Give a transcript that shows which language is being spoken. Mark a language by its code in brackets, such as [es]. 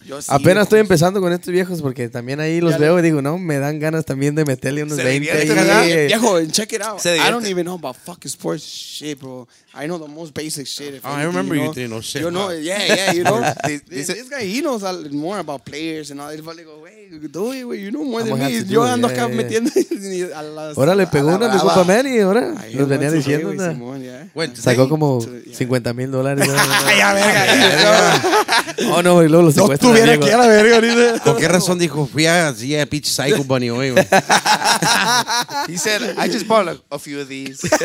[es] Apenas estoy empezando con estos viejos porque también ahí los veo y digo, no, me dan ganas también de meterle unos 20. [en] Viejo, check it out. I don't even know about fucking sports shit, bro. I know the most basic shit. If I remember you didn't know shit. You know, yeah, you know. this guy, he knows more about players and all. He's like, wait. Dude, wey, you know more than me. [es] Yo ando acá metiendo a las... Ahora le pegó una de Copa Mary, ahora. Lo venía diciendo. Sacó como $50,000. ¡Ay, a verga! Oh, no, güey, luego lo secuestró. No estuviera aquí a la verga. ¿Con qué razón dijo? Fui así a Peach Psycho Bunny hoy, güey. [en] He said, I just bought like a few of these.